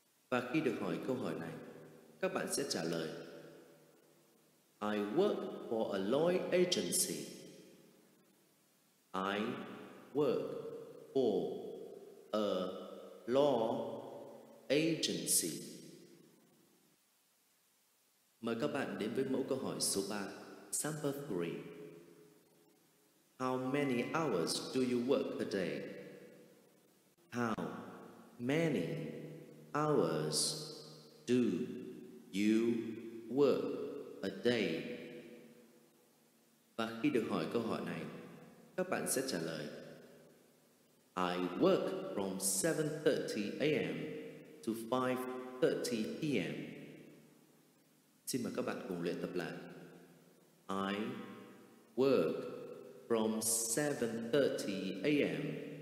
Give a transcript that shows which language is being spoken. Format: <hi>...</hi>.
<vi>Và khi được hỏi câu hỏi này, các bạn sẽ trả lời</vi> <en>I work for a lawyer agency. I work for a law agency.</en> <vi>Mời các bạn đến với mẫu câu hỏi số 3, sample 3.</vi> <en>How many hours do you work a day? How many hours do you work a day?</en> <vi>Và khi được hỏi câu hỏi này, các bạn sẽ trả lời</vi> <en>I work from 7:30 a.m. to 5:30 p.m.</en> <vi>Xin mời các bạn cùng luyện tập lại.</vi> <en>I work from 7:30 a.m.</en>